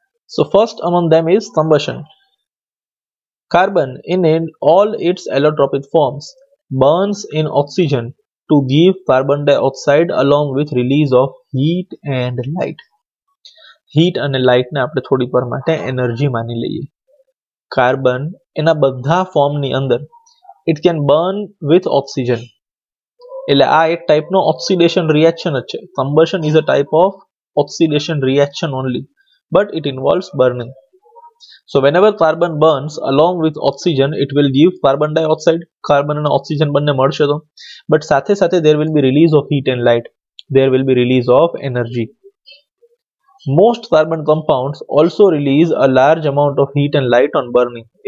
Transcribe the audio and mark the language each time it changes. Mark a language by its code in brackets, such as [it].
[en] So first among them is combustion. Carbon in all its allotropic forms burns in oxygen to give carbon dioxide along with release of heat and light. [gu] Heat અને light ને આપણે થોડી વાર માટે energy માની લઈએ. Carbon એના બધા ફોર્મની અંદર [en] It can burn with oxygen. [gu] એટલે આ એક ટાઈપનો ઓક્સિડેશન રિએક્શન જ છે. [en] Combustion is a type of oxidation reaction only, but it involves burning. So whenever carbon burns along with oxygen it will give carbon dioxide. [gu] Carbon અને oxygen બંને મળશે તો, [en] but [gu] સાથે સાથે [en] There will be release of heat and light, there will be release of energy. Most carbon compounds also release a large amount of heat and light on burning.